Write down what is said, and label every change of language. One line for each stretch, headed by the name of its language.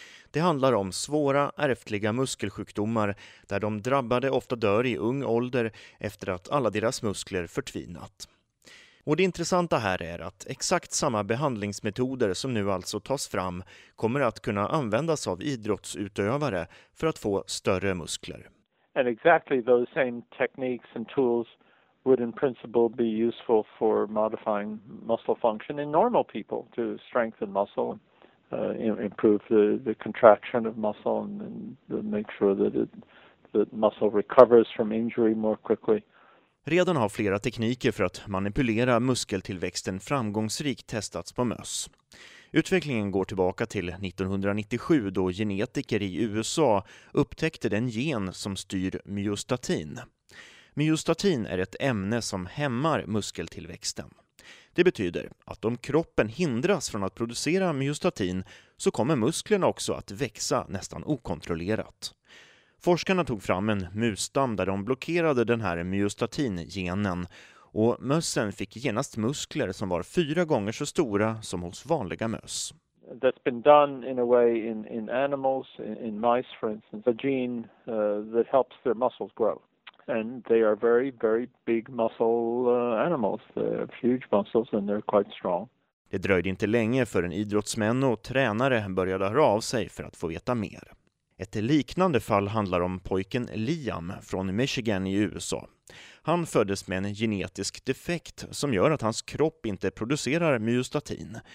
Swedish: Det handlar om svåra ärftliga muskelsjukdomar där de drabbade ofta dör i ung ålder efter att alla deras muskler förtvinat. Och det intressanta här är att exakt samma behandlingsmetoder som nu alltså tas fram kommer att kunna användas av idrottsutövare för att få större muskler.
English: And exactly those same techniques and tools would in principle be useful for modifying muscle function in normal people to strengthen muscle, improve the contraction of muscle and make sure that that muscle recovers from injury more quickly.
Swedish: Redan har flera tekniker för att manipulera muskeltillväxten framgångsrikt testats på möss. Utvecklingen går tillbaka till 1997 då genetiker i USA upptäckte den gen som styr myostatin. Myostatin är ett ämne som hämmar muskeltillväxten. Det betyder att om kroppen hindras från att producera myostatin så kommer musklerna också att växa nästan okontrollerat. Forskarna tog fram en musstam där de blockerade den här myostatin-genen och mössen fick genast muskler som var 4 gånger så stora som hos vanliga möss.
English: That's been done in a way in animals, in mice for instance, a gene that helps their muscles grow. And they are very, very big muscle animals. They have huge muscles and they're quite strong.
Swedish: Det dröjde inte länge förrän idrottsmän och tränare började höra av sig för att få veta mer. Ett liknande fall handlar om pojken Liam från Michigan i USA. Han föddes med en genetisk defekt som gör att hans kropp inte producerar myostatin.